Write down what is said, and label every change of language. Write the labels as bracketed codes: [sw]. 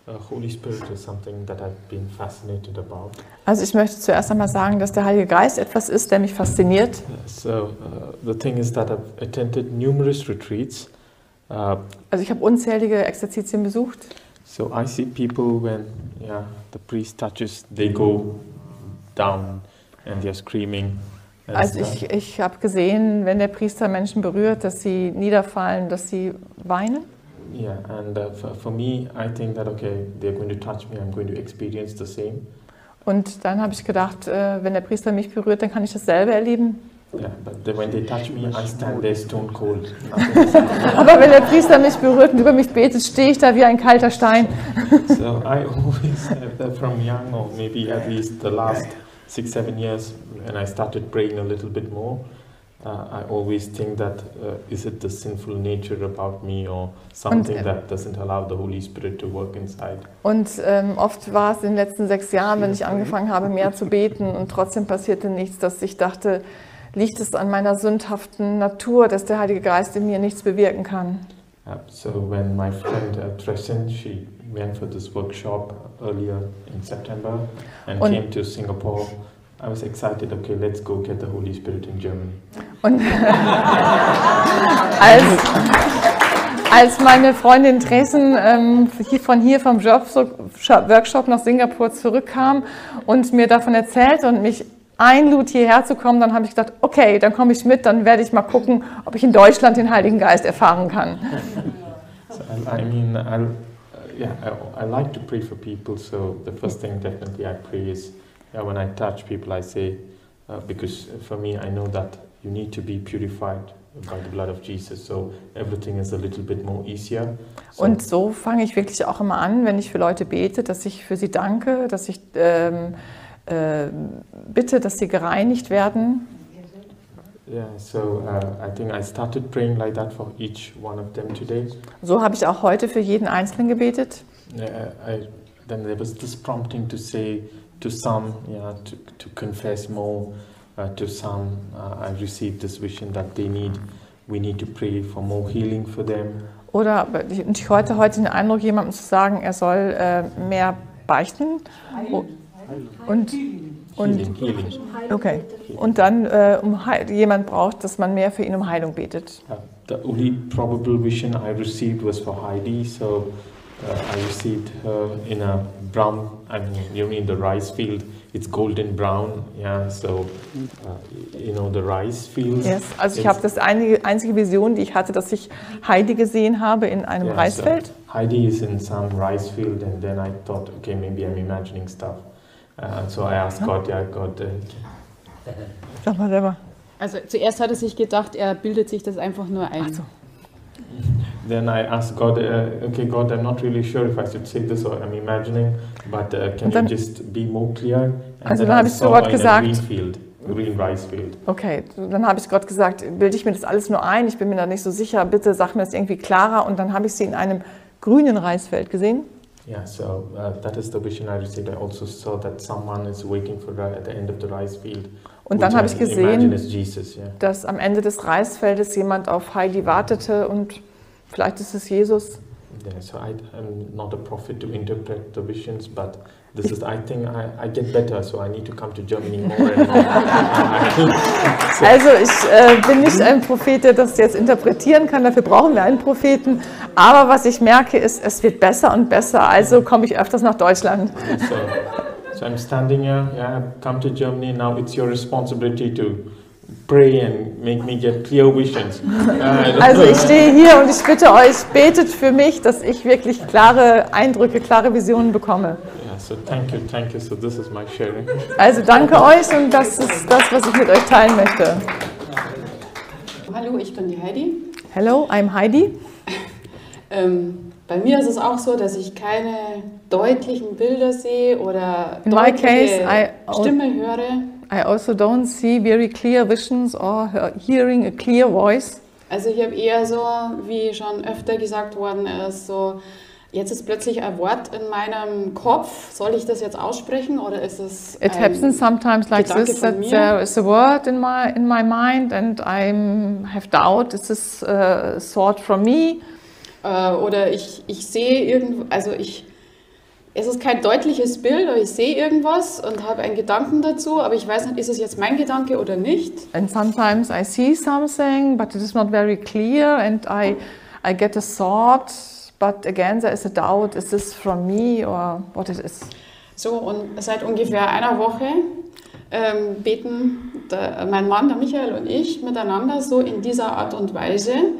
[en] Holy Spirit is something that I've been fascinated about. [de] Also ich möchte zuerst einmal sagen, dass der Heilige Geist etwas ist, der mich fasziniert. [en] So the thing is that I've attended numerous retreats. [de] Also ich habe unzählige Exerzitien besucht. [en] So I see people when the priest touches, they go down and they're screaming. [de] Also ich habe gesehen, wenn der Priester Menschen berührt, dass sie niederfallen, dass sie weinen. [en] Yeah, and for me, I think that okay, they're going to touch me. I'm going to experience the same. [de] Und dann habe ich gedacht, wenn der Priester mich berührt, dann kann ich dasselbe erleben. [en] Yeah, but when they touch me, I stand there stone cold. [de] Aber wenn der Priester mich berührt und über mich betet, stehe ich da wie ein kalter Stein. [en] So I always have that from young, or maybe at least the last 6-7 years, when I started praying a little bit more. I always think that is it the sinful nature about me or something that doesn't allow the Holy Spirit to work inside. [de] Und oft war es in den letzten 6 Jahren, wenn ich angefangen habe, mehr zu beten und trotzdem passierte nichts, dass ich dachte, liegt es an meiner sündhaften Natur, dass der Heilige Geist in mir nichts bewirken kann. [en] So when my friend Tresin, she went for this workshop earlier in September and came to Singapore. I was excited, okay, let's go get the Holy Spirit in Germany. [de] Und als meine Freundin Dresden von hier vom Workshop nach Singapur zurückkam und mir davon erzählt und mich einlud, hierher zu kommen, dann habe ich gedacht, okay, dann komme ich mit, dann werde ich mal gucken, ob ich in Deutschland den Heiligen Geist erfahren kann. [en] So, I like to pray for people, so the first thing definitely I pray is, yeah, when I touch people, I say, because for me, I know that you need to be purified by the blood of Jesus. So everything is a little bit more easier. [de] Und so fange ich wirklich auch immer an, wenn ich für Leute bete, dass ich für sie danke, dass ich bitte, dass sie gereinigt werden. [en] Yeah, so I think I started praying like that for each one of them today. [de] So habe ich auch heute für jeden Einzelnen gebetet. [en] Then there was this prompting to say, to some, to confess more. To some, I received this vision that we need to pray for more healing for them. [de] Oder ich hatte heute den Eindruck, jemandem zu sagen, er soll mehr beichten. [en] Healing. Okay. [de] Und dann, jemand braucht, dass man mehr für ihn Heilung betet. [en] The only probable vision I received was for Heidi, so. I received her in a brown, in the rice field. It's golden brown, the rice fields. [de] Yes, also ich habe das einzige Vision, die ich hatte, dass ich Heidi gesehen habe in einem Reisfeld. [en] So Heidi is in some rice field and then I thought, okay, maybe I'm imagining stuff. So I asked God, [de] Sag mal selber. Also zuerst hat er sich gedacht, er bildet sich das einfach nur ein. Also. [en] Then I asked God, okay, God, I'm not really sure if I should say this or I'm imagining, but can you just be more clear? [de] Also dann habe ich zu Gott gesagt, [en] green rice field. [de] Okay, dann habe ich Gott gesagt, bilde ich mir das alles nur ein, ich bin mir da nicht so sicher, bitte sag mir das irgendwie klarer. Und dann habe ich sie in einem grünen Reisfeld gesehen. [en] Yeah, so that is the vision I received. I also saw that someone is waiting for her at the end of the rice field. [de] Und dann habe ich gesehen, Jesus, dass am Ende des Reisfeldes jemand auf Heidi wartete und vielleicht ist es Jesus. [en] Yeah, so I'm not a prophet to interpret the visions, but This is, I think I get better, so I need to come to Germany more. And more. [de] Also ich bin nicht ein Prophet, der das jetzt interpretieren kann, dafür brauchen wir einen Propheten. Aber was ich merke ist, es wird besser und besser, also komme ich öfters nach Deutschland. [en] So I'm standing here, yeah, I've come to Germany, now it's your responsibility to pray and make me get clear visions. [de] Also ich stehe hier und ich bitte euch, betet für mich, dass ich wirklich klare Eindrücke, klare Visionen bekomme. [en] So thank you, so this is my sharing. [de] Also danke euch und das ist das, was ich mit euch teilen möchte. Hallo, ich bin die Heidi. [en] Hello, I'm Heidi. [de] Bei mir ist es auch so, dass ich keine deutlichen Bilder sehe oder [en] in [de] deutliche [en] my case, [de] Stimme höre. [en] I also don't see very clear visions or hearing a clear voice. [de] Also ich habe eher so, wie schon öfter gesagt worden ist, so jetzt ist plötzlich ein Wort in meinem Kopf. Soll ich das jetzt aussprechen oder ist es [en] It ein happens sometimes like [de] Gedanke [en] this that there is a word in my mind and I have doubt is this a thought from me [de] oder ich sehe irgendwo, also ich es ist kein deutliches Bild, aber ich sehe irgendwas und habe einen Gedanken dazu, aber ich weiß nicht, ist es jetzt mein Gedanke oder nicht. [en] And sometimes I see something, but it is not very clear and I get a thought. But again, there is a doubt, is this from me or what it is? [de] So, und seit ungefähr einer Woche beten mein Mann, der Michael und ich, miteinander so in dieser Art und Weise.